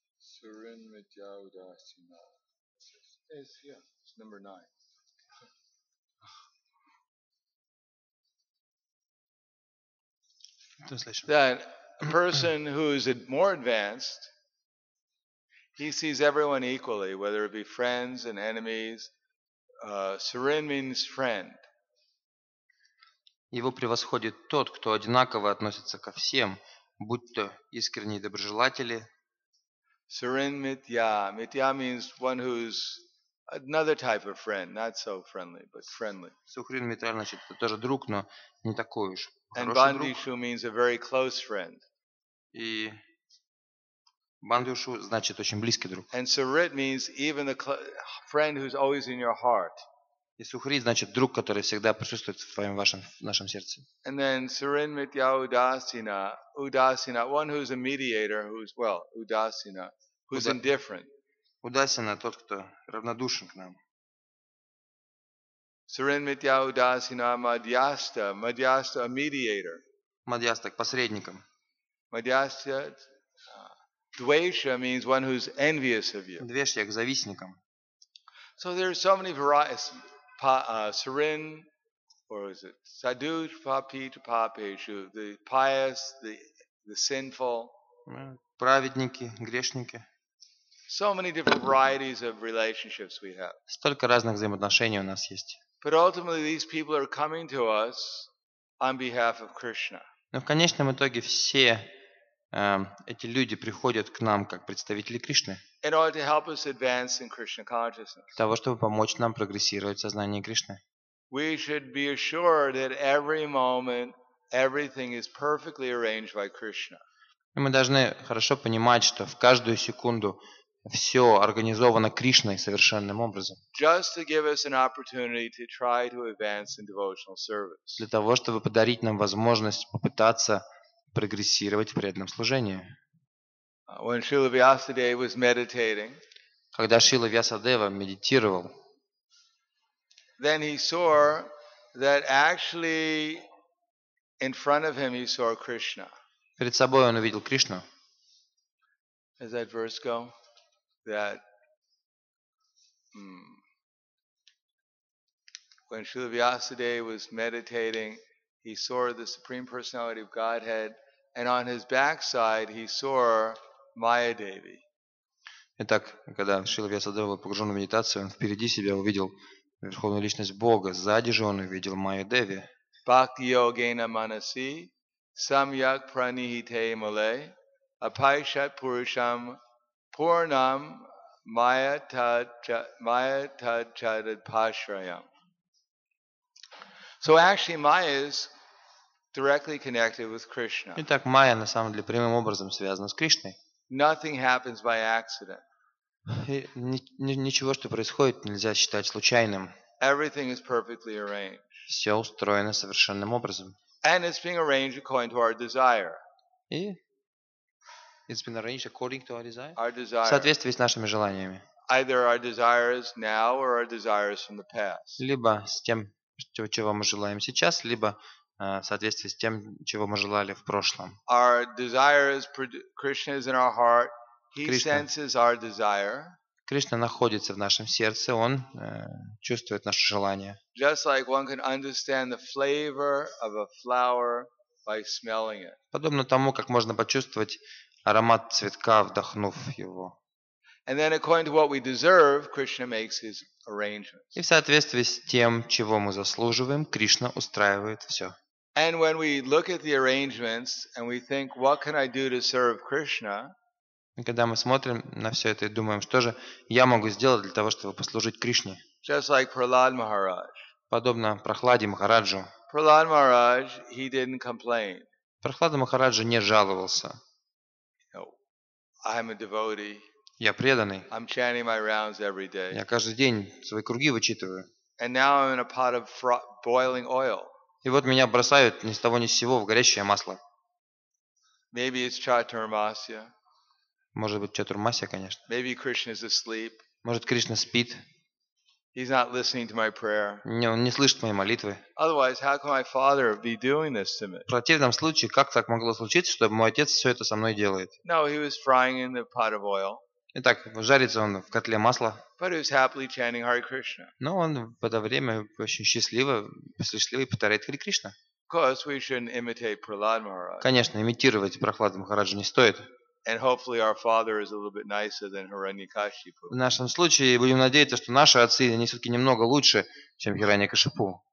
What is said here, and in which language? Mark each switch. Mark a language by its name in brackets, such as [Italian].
[English] Surin Mitya Udasina. It's number 9. That a person who is more advanced, he sees everyone equally, whether it be friends and enemies. Surin means friend. [Russian] Его превосходит тот, кто одинаково относится ко всем, будь то искренние доброжелатели. [English] Sarin Mithya. Mithya means one who's another type of friend, not so friendly, but friendly. [Russian] Sukhrin Mithya, значит, это тоже друг, но не такой уж хороший друг. [English] And Bandishu means a very close friend. [Russian] И Bandishu, значит, очень близкий друг. [English] And Sarit means even the friend who's always in your heart. [Russian] И Сухрит, значит, друг, который всегда присутствует в твоем, вашем, в нашем сердце. [English] And then Sarin Mithya Udasina. Udasina, one who's a mediator, who's, well, Udasina, who's indifferent. [Russian] Udasina, тот, кто равнодушен к нам. [English] Sarin Mithya Udasina Madhyasta. Madhyasta, a mediator. [Russian] Madhyasta, к посредникам. [English] Madhyasta, Dvesha means one who's envious of you. [Russian] Dvesha, к завистникам. [English] So there are so many varieties. Sarin, or is it Sadhu Papi to Papeshu, the pious, the sinful. [Russian] Праведники, грешники. [English] So many different varieties of relationships we have. [Russian] Столько разных взаимоотношений у нас есть. [English] But ultimately these people are coming to us on behalf of Krishna. [Russian] Но в конечном итоге все эти люди приходят к нам как представители Кришны. [English] In order to help us advance in Krishna consciousness. [Russian] Для того, чтобы помочь нам прогрессировать в сознании Кришны. [English] We should be assured that every moment everything is perfectly arranged by Krishna. [Russian] И мы должны хорошо понимать, что в каждую секунду все организовано Кришной совершенным образом. [English] Just to give us an opportunity to try to advance in devotional service. [Russian] Для того, чтобы подарить нам возможность попытаться прогрессировать в преданном служении. [English] When Srila Vyasadeva was meditating, [Russian] когда Шрила Вьясадева медитировал, [English] then he saw that actually in front of him he saw Krishna. [Russian] Перед собой он увидел Кришну. [English] As that verse go, that when Srila Vyasadeva was meditating, he saw the Supreme Personality of Godhead. And on his backside he saw Maya Devi. [Russian] Итак, когда Шрила Вьясадева был погружен в медитацию, он впереди себя увидел Верховную Личность Бога, сзади же он увидел Майя Деви. [Sanskrit] Bhakti Yogena Manasi Samyak Pranihite Male Apaishat Purusham Purnam Maya Tad Chadad Pashrayam. [English] So actually Maya is directly connected with Krishna. [Russian] Итак, майя на самом деле прямым образом связана с Кришной. [English] Nothing happens by accident. [Russian] Ничего, что происходит, нельзя считать случайным. [English] Everything is perfectly arranged. [Russian] Все устроено совершенным образом. [English] And it's being arranged according to our desire. И it's been arranged according to our desire. Our desire. [Russian] В соответствии с нашими желаниями. [English] Either our desires now or our desires from the past. [Russian] Либо с тем, чего мы желаем сейчас, либо в соответствии с тем, чего мы желали в прошлом. Кришна находится в нашем сердце, Он чувствует наше желание. [English] Just like one can understand the flavor of a flower by smelling it. [Russian] Подобно тому, как можно почувствовать аромат цветка, вдохнув его. [English] And then according to what we deserve, Krishna makes his arrangements. [Russian] И в соответствии с тем, чего мы заслуживаем, Кришна устраивает все. [English] And when we look at the arrangements and we think, what can I do to serve Krishna? [Russian] Когда мы смотрим на все это и думаем, что же я могу сделать для того, чтобы послужить Кришне? [English] Just like Prahlad Maharaj. [Russian] Подобно Прохладе Махараджу. [English] Prahlad Maharaj, he didn't complain. [Russian] Прохлада Махараджа не жаловался. [English] I'm a devotee. [Russian] Я преданный. [English] I'm chanting my rounds every day. [Russian] Я каждый день свои круги вычитываю. [English] And now I'm in a pot of boiling oil. [Russian] И вот меня бросают ни с того ни с сего в горящее масло. [English] Maybe it's Chaturmasya. [Russian] Может быть, Чатурмасия, конечно. [English] Maybe Krishna is asleep. [Russian] Может, Кришна спит. [English] He's not listening to my prayer. [Russian] Не, он не слышит моей молитвы. [English] Otherwise, how can my father be doing this to me? [Russian] В противном случае, как так могло случиться, что мой отец все это со мной делает? [English] No, he was frying in the pot of oil. [Russian] Итак, жарится он в котле масла. [English] But he was happily chanting Hare Krishna. [Russian] Но он в это время очень счастливый повторяет Хари Кришна. [English] Of course, we shouldn't imitate Prahlad Maharaj. [Russian] Конечно, имитировать Прохлада Махараджа не стоит. [English] And hopefully our father is a little bit nicer than Hiranyakashipu. [Russian] В нашем случае будем надеяться, что наши отцы они все-таки немного лучше, чем Хираньякашипу.